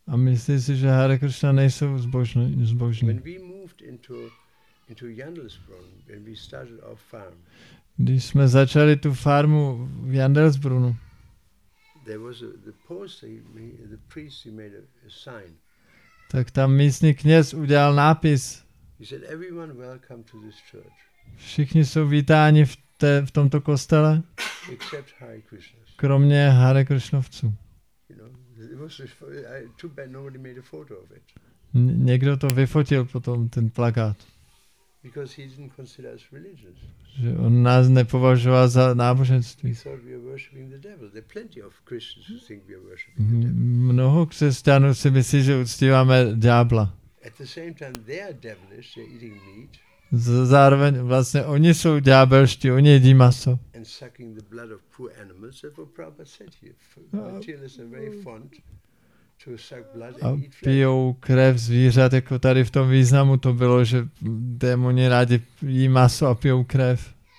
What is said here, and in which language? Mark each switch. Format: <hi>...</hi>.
<cs>A myslí si, že Hare Krishna nejsou zbožní.</cs> <en>When we moved into Jandelsbrunn, when we started our farm.</en> <cs>Když jsme začali tu farmu v Jandelsbrunnu.</cs> <en>there was a, the post he, the priest he made a sign.</en> <cs>Tak tam místní kněz udělal nápis.</cs> <en>He said, "Everyone welcome to this church."</en> <cs>Všichni jsou vítáni v tomto kostele.</cs> <en>Except Hare Krishna.</en> <cs>Kromě Hare Krishnovců.</cs> <en>You know, it was too bad nobody made a photo of it.</en> <cs>Někdo to vyfotil potom ten plakát.</cs> <en>Because he didn't consider us religious.</en> <cs>Že on nás nepovažoval za náboženství.</cs> <en>He thought we are worshiping the devil. There are plenty of Christians who think we are worshiping the devil.</en> <cs>Mnoho křesťanů si myslí, že uctíváme ďábla.</cs> <en>At the same time, they are devilish. They're eating meat.</en> <cs>Zároveň vlastně oni jsou ďábelští, oni jedí maso.</cs> <en>And sucking the blood of poor animals, that what Prabhupada said here. Until it's a very font.</en> <cs>A pijou krev zvířat, jako tady v tom významu to bylo, že démoni rádi jí maso a pijou krev.</cs>